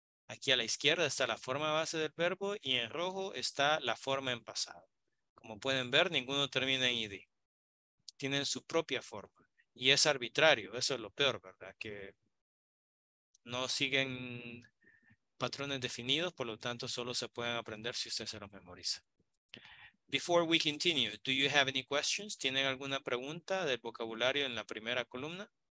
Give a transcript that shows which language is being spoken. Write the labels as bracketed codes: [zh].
[es] Aquí a la izquierda está la forma base del verbo y en rojo está la forma en pasado. Como pueden ver, ninguno termina en ID. tienen su propia forma. Y es arbitrario, eso es lo peor, ¿verdad? Que no siguen patrones definidos, por lo tanto, solo se pueden aprender si usted se los memoriza. [en] Before we continue, do you have any questions? [es] ¿Tienen alguna pregunta del vocabulario en la primera columna?